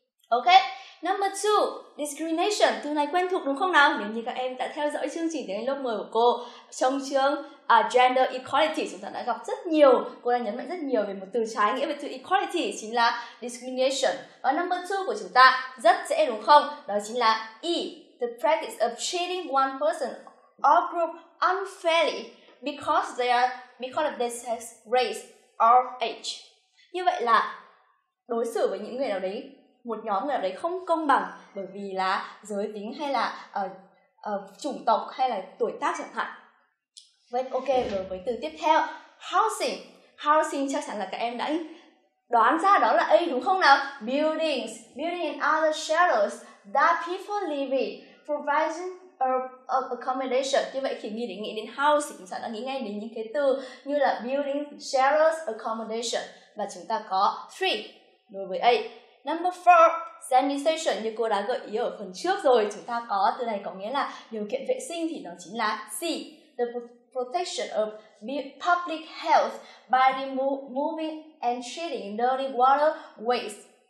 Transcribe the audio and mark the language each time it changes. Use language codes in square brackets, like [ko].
[vi] Ok, number 2, discrimination. Từ này quen thuộc đúng không nào? Nếu như các em đã theo dõi chương trình tiếng Anh lớp 10 của cô, trong chương gender equality, chúng ta đã gặp rất nhiều, cô đã nhấn mạnh rất nhiều về một từ trái nghĩa về từ equality, chính là discrimination. Và number 2 của chúng ta rất dễ đúng không? Đó chính là E, [en] the practice of treating one person or group unfairly because of their sex, race or age. [vi] Như vậy là đối xử với những người nào đấy, một nhóm người nào đấy không công bằng bởi vì là giới tính hay là chủng tộc hay là tuổi tác chẳng hạn. Vậy ok, rồi với từ tiếp theo, housing. Housing chắc chắn là các em đã đoán ra đó là A đúng không nào? [en] Buildings and other shelters that people live in, providing of accommodation. [vi] Như vậy khi nghĩ đến housing, chúng ta đã nghĩ ngay đến những cái từ như là building, shelters, accommodation. Và chúng ta có 3 đối với A. Number 4, sanitation. Như cô đã gợi ý ở phần trước rồi, chúng ta có từ này có nghĩa là điều kiện vệ sinh, thì nó chính là C, [en] the protection of public health by removing and treating dirty water waste.